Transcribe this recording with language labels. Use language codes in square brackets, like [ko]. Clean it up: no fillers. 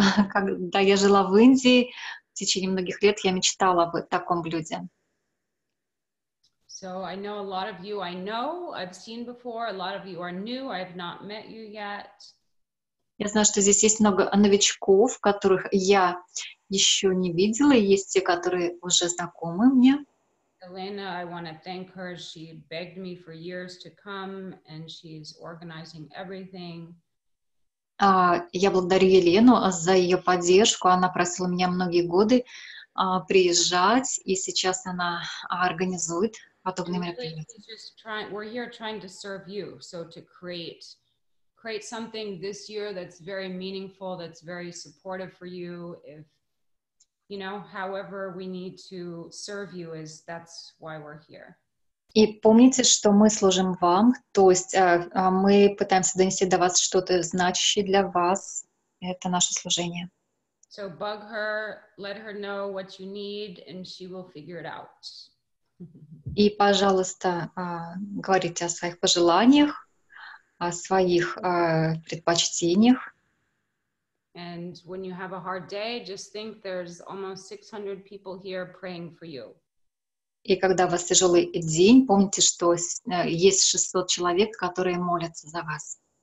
[ru] Когда я жила в Индии, в течение многих лет я мечтала о таком блюде. [en] So I know a lot of you I know, I've seen before. A lot of you are new, I have not met you yet. [ru] Я знаю, что здесь есть много новичков, которых я еще не видела, и есть те, которые уже знакомы мне. [en] Elena, I want to thank her. She begged me for years to come, and she's organizing everything. [ru] Я благодарю Елену за ее поддержку. Она просила меня многие годы приезжать, и сейчас она организует подобные мероприятия. [en] We're here trying to serve you, so to create something this year that's very meaningful, that's very supportive for you, if. You know, however we need to serve you is, that's why we're here. [ru] И помните, что мы служим вам, то есть мы пытаемся донести до вас что-то значащее для вас. Это наше служение. [en] So bug her, let her know what you need, and she will figure it out. [ru] И, пожалуйста, говорите о своих пожеланиях, о своих предпочтениях. [en] And when you have a hard day, just think there's almost 600 people here praying for you. [ru] И когда у вас тяжелый день, помните, что есть 600 человек, которые молятся за вас.